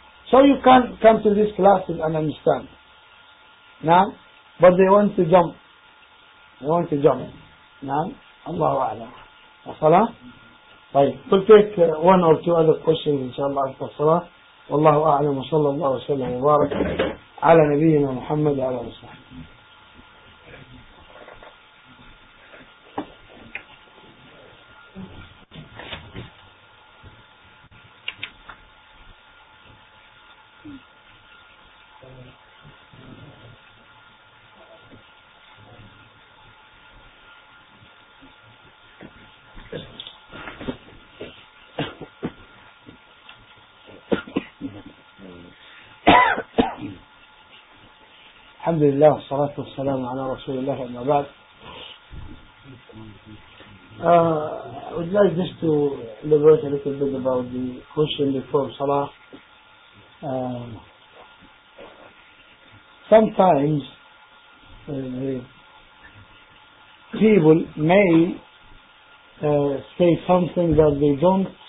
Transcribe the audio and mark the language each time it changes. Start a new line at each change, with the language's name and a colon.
English: So you can come to these classes and understand. Now, but they want to jump. They want to jump. Now, Allahu A'lam. As-salam. Right. We'll take one or two other questions, inshallah, after salah.
Arabic: والله أعلم وصلى الله وسلم وبارك على نبينا محمد وعلى آله وصحبه. الحمد لله والصلاة والسلام على رسول الله وما بعد.
English: I would like just to elaborate a little bit about the question before Salah. Sometimes people may say something that they don't.